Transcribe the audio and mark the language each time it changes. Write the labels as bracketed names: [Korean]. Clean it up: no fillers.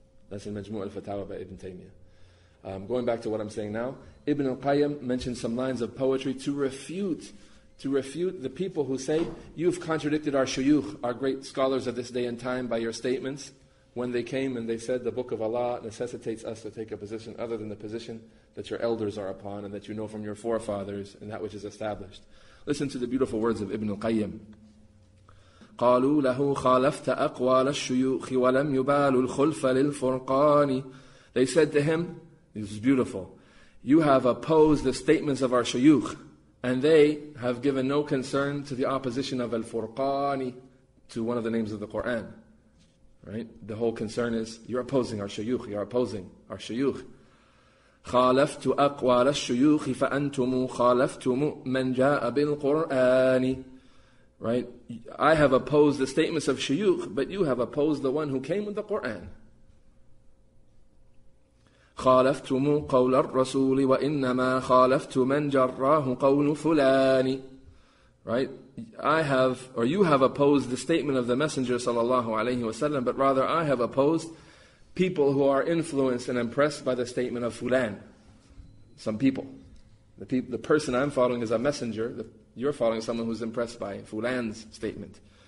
[English] That's in Majmu' al-Fatawa by Ibn Taymiyyah. Going back to what I'm saying now, Ibn al-Qayyim mentioned some lines of poetry to refute the people who say, you've contradicted our shuyukh, our great scholars of this day and time, by your statements, when they came and they said, the Book of Allah necessitates us to take a position other than the position that your elders are upon and that you know from your forefathers and that which is established. Listen to the beautiful words of Ibn al-Qayyim. [Arabic] قالوا له خالفت أقوال الشيوخ ولم يبالوا الخلف للفرقان. [English] They said to him, this is beautiful, you have opposed the statements of our shuyukh, and they have given no concern to the opposition of al-Furqani, to one of the names of the Qur'an. Right? The whole concern is, you're opposing our shuyukh, you're opposing our shuyukh. [Arabic] خالفت أقوال الشيوخ فأنتم خالفتم من جاء بالقرآن. [English] Right? I have opposed the statements of shuyukh, but you have opposed the one who came with the Qur'an. [Arabic] خالفتم قول الرسول وإنما خالفت من جراه قول فلان. [English] Right? You have opposed the statement of the Messenger sallallahu alayhi wasallam, but rather I have opposed people who are influenced and impressed by the statement of fulan. Some people. The person I'm following is a messenger. You're following someone who's impressed by fulan's statement.